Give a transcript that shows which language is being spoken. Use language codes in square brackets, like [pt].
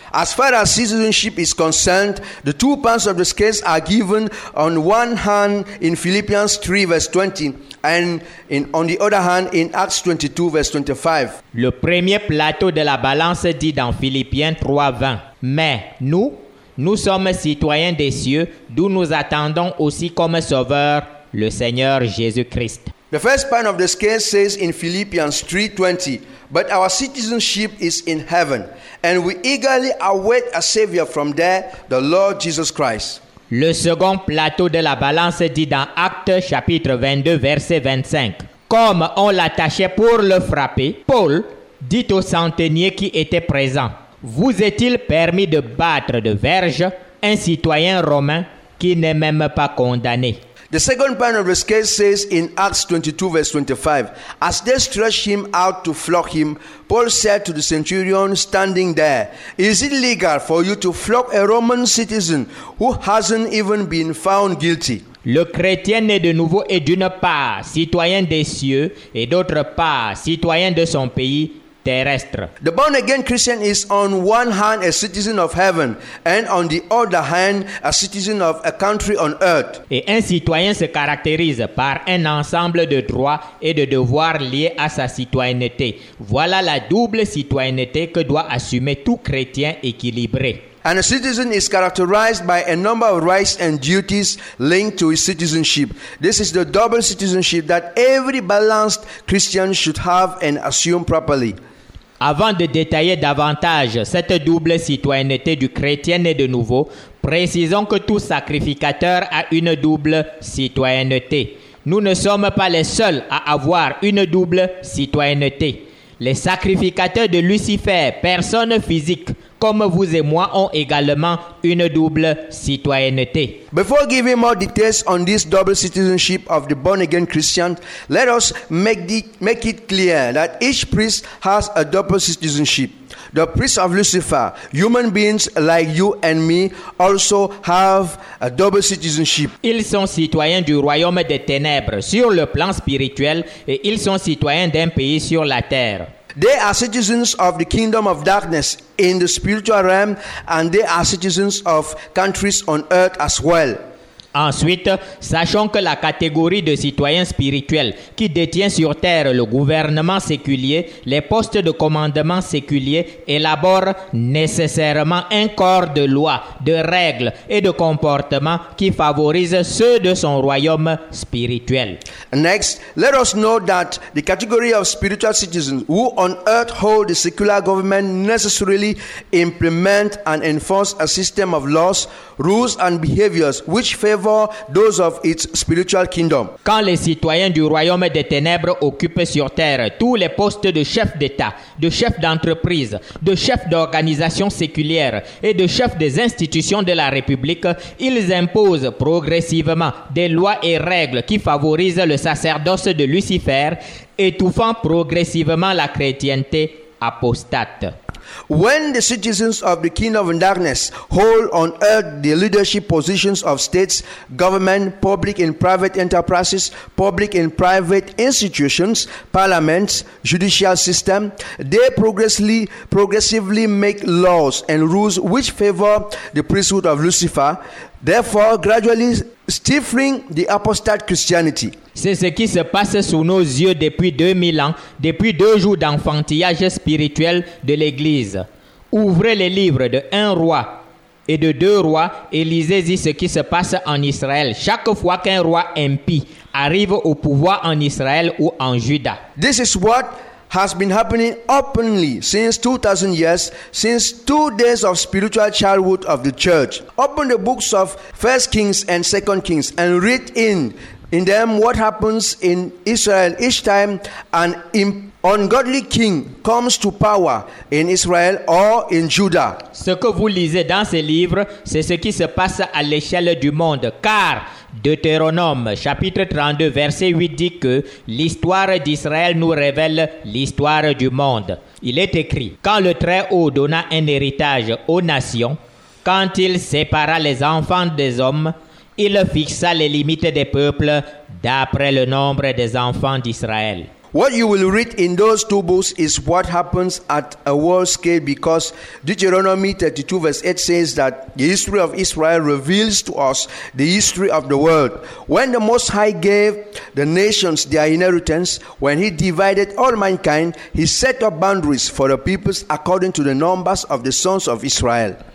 [en] As far as citizenship is concerned, the two parts of the scales are given on one hand in Philippians 3 verse 20 and in on the other hand in Acts 22 verse 25. [fr] Le premier plateau de la balance dit dans Philippiens 3 20: mais nous sommes citoyens des cieux d'où nous attendons aussi comme sauveur le Seigneur Jésus-Christ. [en] The first part of the scale says in Philippians 3:20, but our citizenship is in heaven, and we eagerly await a savior from there, the Lord Jesus Christ. [fr] Le second plateau de la balance dit dans Actes chapitre 22 verset 25: comme on l'attachait pour le frapper, Paul dit au centenier qui était présent: vous est-il permis de battre de verge un citoyen romain qui n'est même pas condamné? [en] The second part of the scale says in Acts 22 verse 25, as they stretched him out to flog him, Paul said to the centurion standing there, is it legal for you to flog a Roman citizen who hasn't even been found guilty? [fr] Le chrétien est de nouveau et d'une part citoyen des cieux et d'autre part citoyen de son pays terrestre. [en] The born again Christian is on one hand a citizen of heaven and on the other hand a citizen of a country on earth. [fr] Et un citoyen se caractérise par un ensemble de droits et de devoirs liés à sa citoyenneté. Voilà la double citoyenneté que doit assumer tout chrétien équilibré. [en] And a citizen is characterized by a number of rights and duties linked to his citizenship. This is the double citizenship that every balanced Christian should have and assume properly. [fr] Avant de détailler davantage cette double citoyenneté du chrétien né de nouveau, précisons que tout sacrificateur a une double citoyenneté. Nous ne sommes pas les seuls à avoir une double citoyenneté. Les sacrificateurs de Lucifer, personnes physiques comme vous et moi, ont également une double citoyenneté. [en] Before giving more details on this double citizenship of the born again Christian, let us make it clear that each priest has a double citizenship. The priests of Lucifer, human beings like you and me, also have a double citizenship. [fr] Ils sont citoyens du royaume des ténèbres sur le plan spirituel et ils sont citoyens d'un pays sur la terre. [en] They are citizens of the kingdom of darkness in the spiritual realm, and they are citizens of countries on earth as well. [fr] Ensuite, sachons que la catégorie de citoyens spirituels qui détient sur terre le gouvernement séculier, les postes de commandement séculiers, élabore nécessairement un corps de lois, de règles et de comportements qui favorise ceux de son royaume spirituel. [en] Next, let us note that the category of spiritual citizens who on earth hold the secular government necessarily implement and enforce a system of laws, rules and behaviors which favor those of its spiritual kingdom. [fr] Quand les citoyens du royaume des ténèbres occupent sur terre tous les postes de chef d'État, de chef d'entreprise, de chef d'organisation séculière et de chef des institutions de la République, ils imposent progressivement des lois et règles qui favorisent le sacerdoce de Lucifer, étouffant progressivement la chrétienté apostate. [en] When the citizens of the kingdom of darkness hold on earth the leadership positions of states, government, public and private enterprises, public and private institutions, parliaments, judicial system, they progressively make laws and rules which favor the priesthood of Lucifer, therefore gradually stifling the apostate Christianity. [fr] C'est ce qui se passe sous nos yeux depuis 2000 ans, depuis deux jours d'enfantillage spirituel de l'Église. Ouvrez les livres de un roi et de deux rois et lisez-y ce qui se passe en Israël chaque fois qu'un roi impie arrive au pouvoir en Israël ou en Juda. [en] This is what has been happening openly since 2000 years, since 2 days of spiritual childhood of the church. Open the books of 1 Kings and 2 Kings and read in them what happens in Israel each time an ungodly king comes to power in Israel or in Judah. [fr] Ce que vous lisez dans ces livres, c'est ce qui se passe à l'échelle du monde. Car Deutéronome chapitre 32 verset 8 dit que l'histoire d'Israël nous révèle l'histoire du monde. Il est écrit: quand le Très-Haut donna un héritage aux nations, quand il sépara les enfants des hommes, il fixa les limites des peuples d'après le nombre des enfants d'Israël. [en] What you will read in those two books is what happens at a world scale, because Deuteronomy 32 verse 8 says that the history of Israel reveals to us the history of the world. When the Most High gave the nations their inheritance, when he divided all mankind, he set up boundaries for the peoples according to the numbers of the sons of Israel.